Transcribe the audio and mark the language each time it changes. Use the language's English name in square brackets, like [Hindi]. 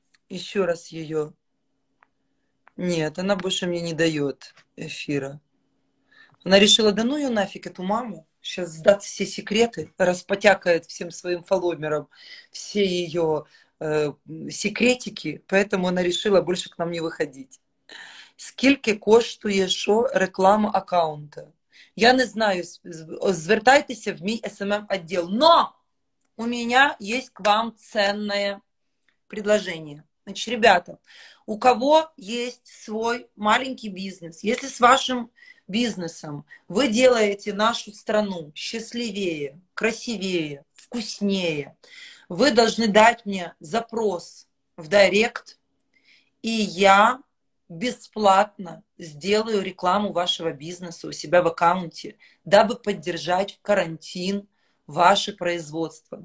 [Russian] Еще раз ее. Нет, она больше мне не дает эфира. Она решила, да ну ее нафиг, эту маму. Сейчас сдаст все секреты, распотякает всем своим фоломерам все ее секретики. Поэтому она решила больше к нам не выходить. [Ukrainian] Скільки коштує шо реклама аккаунта? [Russian] Я не знаю. Звертайтеся в мой SMM-отдел. Но у меня есть к вам ценное предложение. Значит, ребята, у кого есть свой маленький бизнес, если с вашим бизнесом вы делаете нашу страну счастливее, красивее, вкуснее, вы должны дать мне запрос в директ, и я бесплатно сделаю рекламу вашего бизнеса у себя в аккаунте, дабы поддержать в карантин ваше производство.